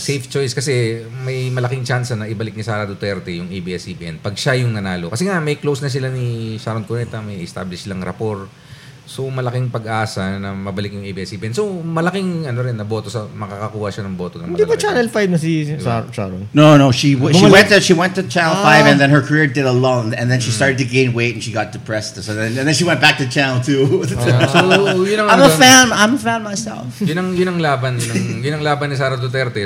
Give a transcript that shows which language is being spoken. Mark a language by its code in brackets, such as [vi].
[tl] Safe choice kasi may malaking chance na ibalik ni Sara Duterte yung ABS-CBN pag siya yung nanalo. Kasi nga, may close na sila ni Sharon Cuneta, may established silang rapport. So, malaking pag-asa na mabalik yung ABS-CBN. So, malaking ano rin na boto sa makakakuha siya ng boto ng malaki. Hindi ba Channel 5 na si Sharon? [en] No, she went to Channel 5 and then her career did a lull and then she started to gain weight and she got depressed. So then she went back to Channel 2. I'm a fan myself. [tl] Yun ang laban ni Sara Duterte.